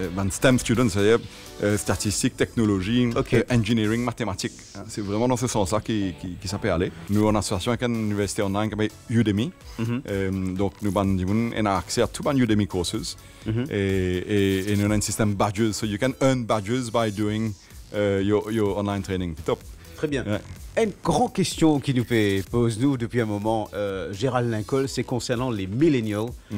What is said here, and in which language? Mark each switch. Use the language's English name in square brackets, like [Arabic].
[English] STEM students, [French] c'est-à-dire statistiques, technologies, [English] engineering, [French] mathématiques. C'est vraiment dans ce sens-là qui ça peut aller. Nous, en association avec une université en ligne qui s'appelle Udemy. Donc, nous avons accès à tous les Udemy courses. Et nous avons un système badges. [English] So you can earn badges by doing your online training. [French] Top. Très bien. Une grande question qui nous pose nous depuis un moment, Gérald Lincoln, c'est concernant les millennials.